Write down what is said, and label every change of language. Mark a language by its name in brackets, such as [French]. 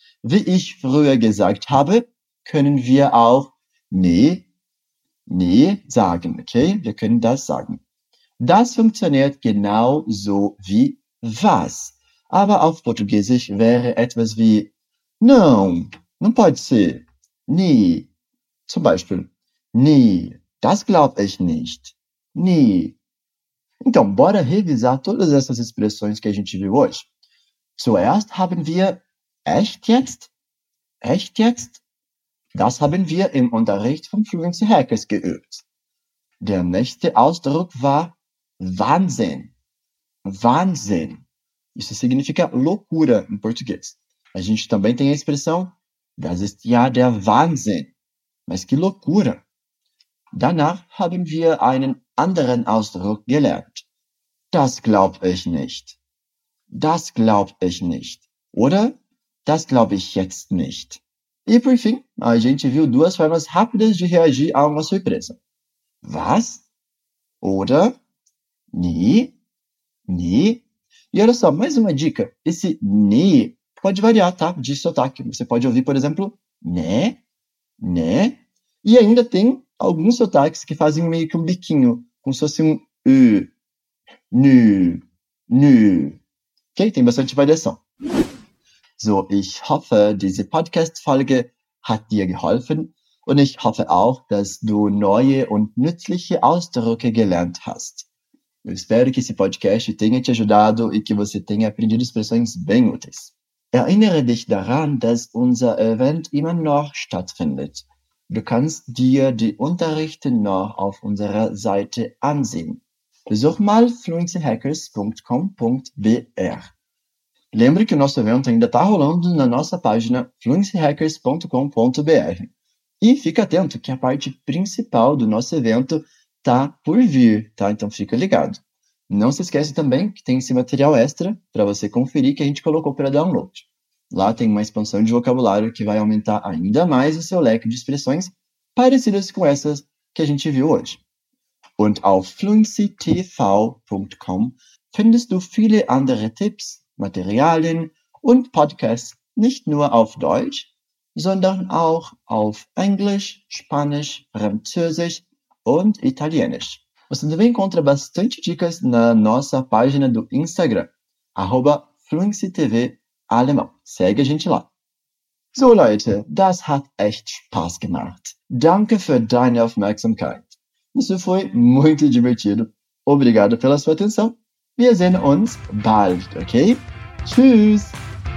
[German] Wie ich früher gesagt habe, können wir auch nee sagen, okay? Wir können das sagen. Das funktioniert genauso wie was. Aber auf Portugiesisch wäre etwas wie [Portuguese] não pode ser. [German] Nee. Zum Beispiel, nee, das glaube ich nicht. Nee. [Portuguese] Então, bora revisar todas essas expressões que a gente viu hoje. [German] Zuerst haben wir echt jetzt? Echt jetzt? Das haben wir im Unterricht von Fluency Hackers geübt. Der nächste Ausdruck war Wahnsinn. Wahnsinn. [Portuguese] Isso significa loucura em português. A gente também tem a expressão [German] Das ist ja der Wahnsinn. [Portuguese] Mas que loucura. [German] Danach haben wir einen anderen Ausdruck gelernt. Das glaube ich nicht. Das glaube ich nicht. Oder das glaube ich jetzt nicht. [Portuguese] E, por fim, a gente viu duas formas rápidas de reagir a uma surpresa. [German] Was? Oder? Nie? Nie? [Portuguese] E olha só, mais uma dica. Esse nie pode variar, tá? De sotaque. Você pode ouvir, por exemplo, né? Né? E ainda tem alguns sotaques que fazem meio que um biquinho, como se fosse um ü. Nü. Nü. Okay, tem bastante variação. [German] So, ich hoffe, diese Podcast-Folge hat dir geholfen und ich hoffe auch, dass du neue und nützliche Ausdrücke gelernt hast. [Portuguese] Eu espero que esse podcast tenha te ajudado e que você tenha aprendido expressões bem úteis. [German] Erinnere dich daran, dass unser Event immer noch stattfindet. Du kannst dir die Unterrichte noch auf unserer Seite ansehen. Besuch mal fluencyhackers.com.br. [Portuguese] Lembre que o nosso evento ainda está rolando na nossa página fluencyhackers.com.br. E fica atento que a parte principal do nosso evento está por vir, tá? Então fica ligado. Não se esquece também que tem esse material extra para você conferir que a gente colocou para download. Lá tem uma expansão de vocabulário que vai aumentar ainda mais o seu leque de expressões parecidas com essas que a gente viu hoje. [German] Und auf fluencytv.com findest du viele andere Tipps, Materialien und Podcasts nicht nur auf Deutsch, sondern auch auf Englisch, Spanisch, Französisch und Italienisch. [Portuguese] Você também encontra bastante dicas na nossa página do Instagram, @fluencytv alemão. Segue a gente lá. [German] So Leute, das hat echt Spaß gemacht. Danke für deine Aufmerksamkeit. [Portuguese] Isso foi muito divertido. Obrigado pela sua atenção. [German] Wir sehen uns bald, ok? Tschüss!